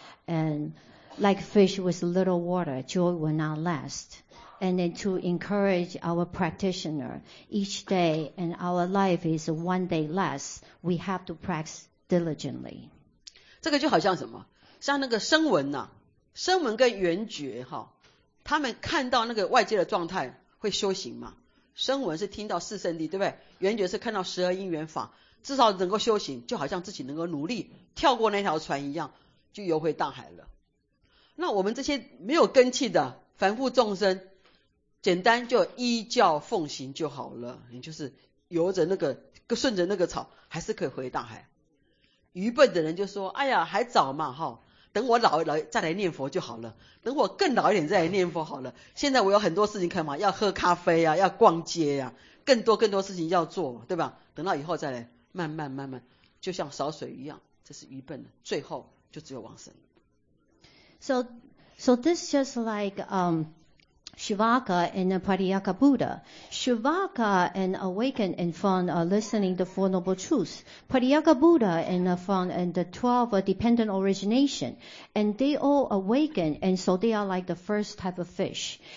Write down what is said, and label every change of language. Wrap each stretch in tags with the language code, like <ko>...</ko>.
<en>And like fish with little water, joy will not last. And then to encourage our practitioner, each day and our life is one day less, we have to practice. Diligently.</en> <zh>这个就好像什么像那个声闻啊，声闻跟缘觉哈，他们看到那个外界的状态会修行嘛，声闻是听到四圣谛，对不对？缘觉是看到十二因缘法，至少能够修行，就好像自己能够努力跳过那条船一样，就游回大海了。那我们这些没有根器的凡夫众生，简单就依教奉行就好了，你就是游着那个顺着那个草，还是可以回大海。愚笨的人就说，哎呀还早嘛，齁，等我老了再来念佛就好了，等我更老一点再来念佛好了，现在我有很多事情可以忙，要喝咖啡啊，要逛街啊，更多更多事情要做，对吧？等到以后再来，慢慢慢慢，就像扫水一样，这是愚笨的，最后就只有往生。</zh> <en>So this is just like Shivaka and Pratyeka Buddha. Shivaka and awakened and found listening the Four Noble Truths. Pratyeka Buddha and found and the 12 dependent origination. And they all awaken, and so they are like the first type of fish.</en>